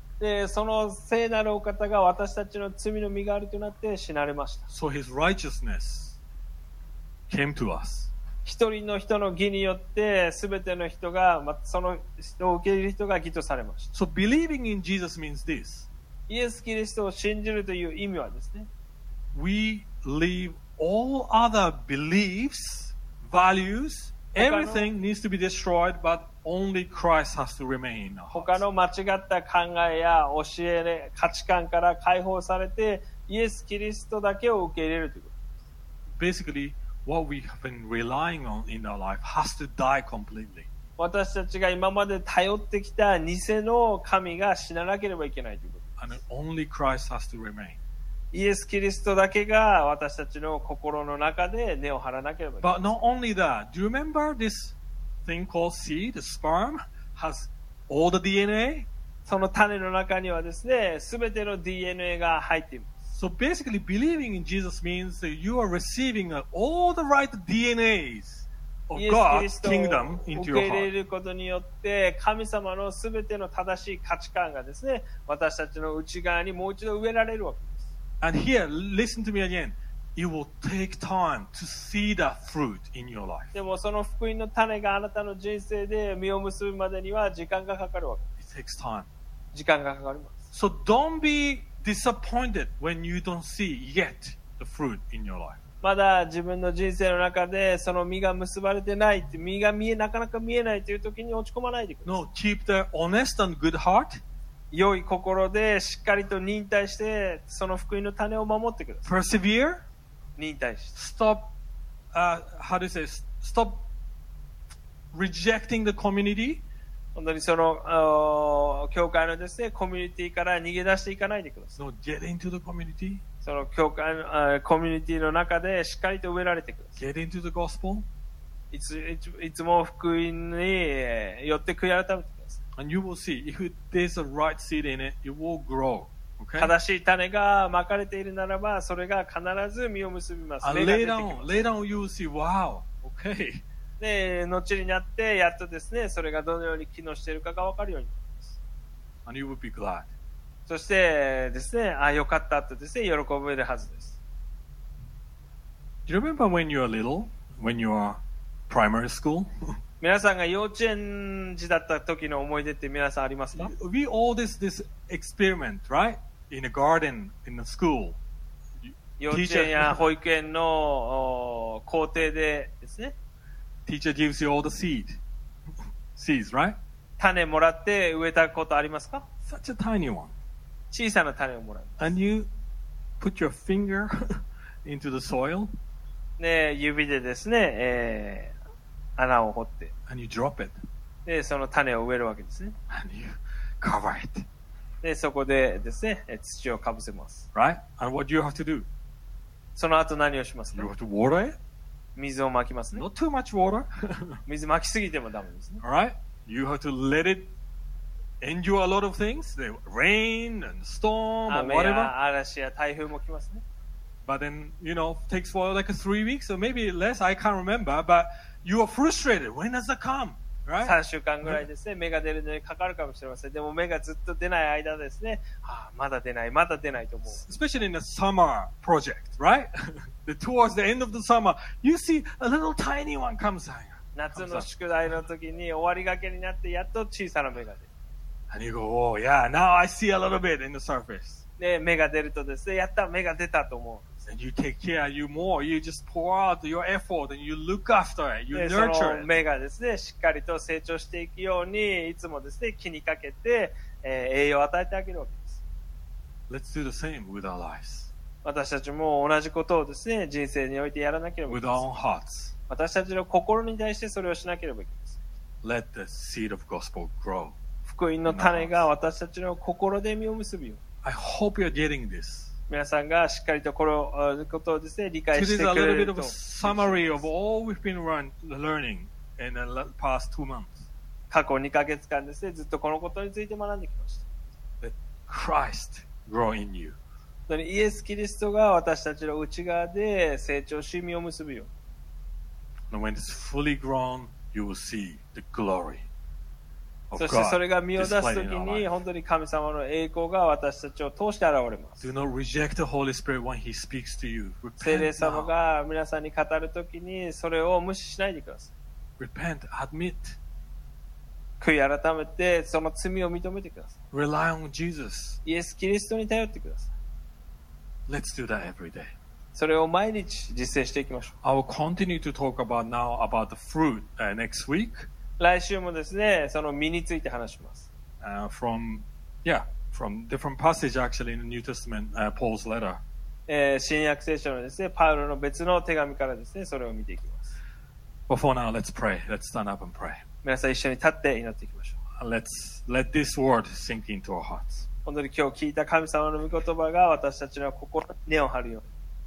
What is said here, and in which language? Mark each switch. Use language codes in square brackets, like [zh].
[ja] で、その聖なるお方が私たちの罪の身代わりとなって死なれました。 [en] So his righteousness came to us. [ja] 一人の人の義によって、すべての人が、その人を受け入れる人が義とされました。 [en] So believing in Jesus means this. [ja] イエス・キリストを信じるという意味はですね。 [en] We leave all other beliefs, values, everything needs to be destroyed, but only Christ has to remain in our hearts. [ja] 他の間違った考えや教え、価値観から解放されて、イエス・キリストだけを受け入れるということです。 [en] Basically,What we have been relying on in our life has to die completely. [ja] 私たちが今まで頼ってきた偽の神が死ななければいけないということです。 [en] And only Christ has to remain. [ja] イエス・キリストだけが私たちの心の中で根を張らなければいけない。 [en] But not only that. Do you remember this thing called seed, the sperm, has all the DNA? [ja] その種の中にはですね、全ての DNA が入っています。 [en] So basically, believing in Jesus means that you are receiving all the right DNAs of God's kingdom into your heart. [ja] 受け入れることによって神様のすべての正しい価値観がですね、私たちの内側にもう一度植えられるわけです。 [en] And here, listen to me again. It will take time to see that fruit in your life. [ja] でもその福音の種があなたの人生で実を結ぶまでには時間がかかるわけです。 [en] It takes time. [ja] 時間がかかります。 [en] So don't beDisappointed when you don't see yet the fruit in your life. [ja] まだ自分の人生の中でその実が結ばれてないって、実が見えなかなか見えないという時に落ち込まないでください。 [en] No, keep the honest and good heart. [ja] 良い心でしっかりと忍耐してその福音の種を守ってください。 [en] Persevere. [ja] 忍耐して。 [en] Stop. How do you say? Stop rejecting the community. [ja] 本当にその教会のですね、コミュニティから逃げ出していかないでください。 [en] No, get into the community. [ja] その教会のコミュニティの中でしっかりと植えられてください。 [en] Get into the gospel. [ja] いつも福音に寄って悔い改めてください。 [en] And you will see if there's a right seed in it, it will grow. Okay? [ja] 正しい種が撒かれているならば、それが必ず実を結びます。 [en] And later on you will see, wow, okay. [ja] で後になってやっとですね、それがどのように機能しているかが分かるようになります。 [en] And you would be glad. [ja] そしてですね、あ、よかったとですね、喜べるはずです。 [en] Do you remember when you were little? When you were primary school? [ja] 皆さんが幼稚園時だった時の思い出って皆さんありますか？ [en] We all this experiment, right? In a garden, in the school. [ja] 幼稚園や保育園の校庭でですね、 [en] Teacher gives you all the seed. Seeds, right? [ja] 種もらって植えたことありますか? [en] Such a tiny one. [ja] 小さな種をもらいます。 [en] And you put your finger into the soil. [ja] で、指でですね、穴を掘って。 [en] And you drop it. [ja] で、その種を植えるわけですね。 [en] And you cover it. [ja] で、そこでですね、土をかぶせます。 [en] Right? And what do you have to do? [ja] その後何をしますか? [en] You have to water it? [ja] 水をまきますね。 [en] Not too much water. [ja] 水まきすぎてもダメですね。 [en] All right. You have to let it endure a lot of things. The rain and storm or whatever. [ja] 雨や嵐や台風も来ますね。 [en] But then, you know, takes for like 3 weeks or maybe less. I can't remember. But you are frustrated. When does it come? Right? [ja] 3週間ぐらいですね。芽が出るのにかかるかもしれません。でも芽がずっと出ない間ですね。ああ、まだ出ない、まだ出ないと思う。 [en] Especially in the summer project, right? Towards the end of the summer, you see a little tiny one comes out. [ja] 夏の宿題の時に終わりがけになってやっと小さな芽が出る。 [en] And you go, oh yeah, now I see a little bit in the surface. [ja] で、芽が出るとですね、やった、芽が出たと思う。 [en] And you take care of you more. You just pour out your effort and you look after it. You nurture it. [ja] その芽がですね、しっかりと成長していくように、いつもですね、気にかけて、栄養を与えてあげるわけです。 [en] Let's do the same with our lives. [ja] 私たちも同じことをですね、人生においてやらなければいけません。私たちの心に対してそれをしなければいけません。 [en] Let the seed of gospel grow. [ja] 福音の種が私たちの心で実を結ぶよ。 [en] I hope you're getting this. [ja] 皆さんがしっかりとことをですね、理解してくれると [en] 。 This is a little bit of a summary of all we've been learning in the past 2 months. [ja] 過去2ヶ月間ですね、ずっとこのことについて学んできました。 [en] Let Christ grow in you. [ja] イエス・キリストが私たちの内側で成長し実を結ぶよ。 [en] And when it's fully grown, you will see the glory. [ja] そしてそれが身を出すときに本当に神様の栄光が私たちを通して現れます。聖霊様が皆さんに語るときにそれを無視しないでください。 [en] Repent, admit. [ja] 悔い改めてその罪を認めてください。 [en] Rely on Jesus. [ja] イエス・キリストに頼ってください。 [en] Let's do that every day. [ja] それを毎日実践していきましょう。 [en] I will continue to talk about now about the fruit next week. [ja] 来週もですね、その実について話します。 [en] From different passage actually in the New Testament, Paul's letter. [ja] 新約聖書のですね、パウロの別の手紙からですね、それを見ていきます。 [en] Before now, let's pray. Let's stand up and pray. [ja] 皆さん一緒に立って祈っていきましょう。 [en] Let's let this word sink into our hearts. [ja] 本当に今日聞いた神様の御言葉が私たちの心に根を張るように。